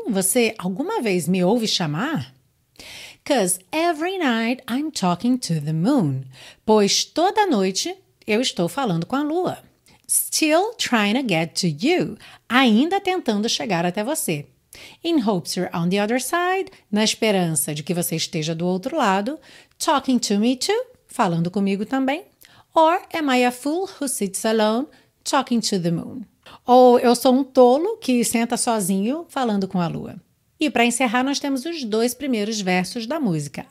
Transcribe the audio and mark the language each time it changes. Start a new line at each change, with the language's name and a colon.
Portuguese: Você alguma vez me ouve chamar?
English: Because every night I'm talking to the moon.
Portuguese: Pois toda noite eu estou falando com a lua.
English: Still trying to get to you.
Portuguese: Ainda tentando chegar até você.
English: In hopes you're on the other side.
Portuguese: Na esperança de que você esteja do outro lado.
English: Talking to me too.
Portuguese: Falando comigo também.
English: Or am I a fool who sits alone talking to the moon?
Portuguese: Ou eu sou um tolo que senta sozinho falando com a lua. E para encerrar, nós temos os dois primeiros versos da música.